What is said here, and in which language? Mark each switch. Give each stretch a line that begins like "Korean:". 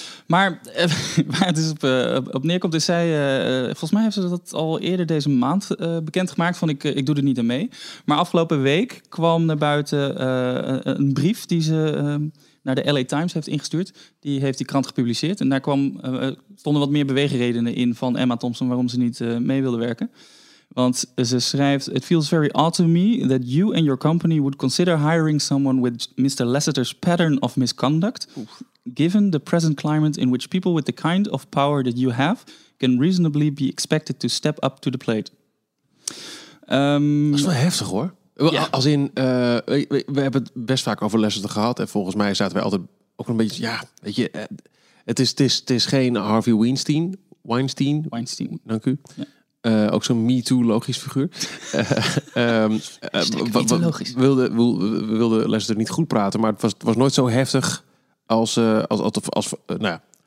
Dutch: Maar waar het dus op neerkomt, is zij. Volgens mij heeft ze dat al eerder deze maand bekendgemaakt. Van ik doe er niet aan mee. Maar afgelopen week kwam naar buiten een brief die ze naar de LA Times heeft ingestuurd. Die heeft die krant gepubliceerd. En daar stonden wat meer beweegredenen in van Emma Thompson waarom ze niet mee wilde werken. Want ze schrijft:
English: "It feels very odd to me that you and your company would consider hiring someone with Mr. Lasseter's pattern of misconduct. Oof. Given the present climate in which people with the kind of power that you have can reasonably be expected to step up to the plate."
Dutch: Dat is wel heftig hoor. Ja. Als in, we hebben het best vaak over Lasseter gehad. En volgens mij zaten wij altijd ook een beetje, ja, weet je, het is geen Harvey Weinstein. Weinstein. Weinstein. Dank u. Ja. Ook zo'n Me Too logisch figuur. We wilden Lester niet goed praten, maar het was nooit zo heftig als nou ja.